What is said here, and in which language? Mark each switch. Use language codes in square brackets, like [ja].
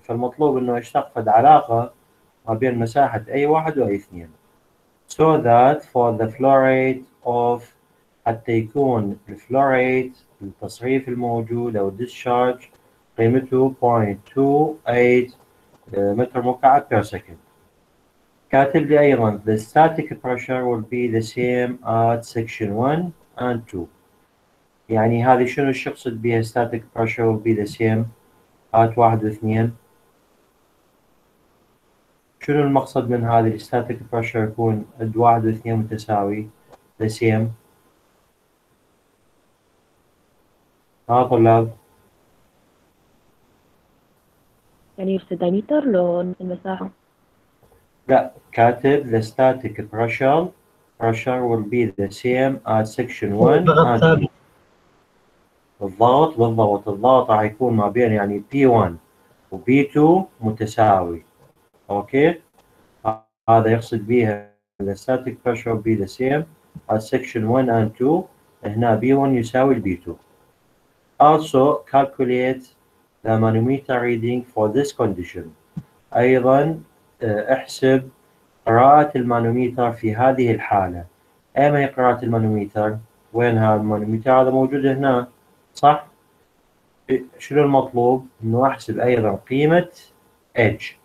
[ar] فالمطلوب انه اشتق فد علاقه ما بين مساحه اي 1 واي 2، [en] so that for the flow rate of، [ar] حتى يكون الفلو ريت التصريف الموجود او discharge قيمته 0.28 متر مكعب بير سكند. كاتب لي ايضا [en] the static pressure will be the same at section 1 and 2. [ar] يعني هذه شنو ايش يقصد بها [en] static pressure will be the same at [ar] 1 و 2؟ شنو المقصد من هذه ال static pressure يكون at 1 و 2 متساوي the same؟ ها طلاب؟ يعني في الديميتر لو المساحة؟ لا، كاتب [en] the static pressure will be the same at section 1 بالضغط. [ar] بالضبط، الضغط راح يكون ما بين يعني P1 و P2 متساوي. اوكي، هذا يقصد بها [en] the static pressure will be the same at section 1 and 2 [ar] هنا B1 يساوي B2. [en] Also calculate the manometer reading for this condition. [ar] أيضا احسب قراءة المانوميتر في هذه الحالة. أي ما هي قراءة المانوميتر؟ وين هذا المانوميتر؟ هذا موجود هنا صح؟ شنو المطلوب؟ انه احسب ايضا قيمة H.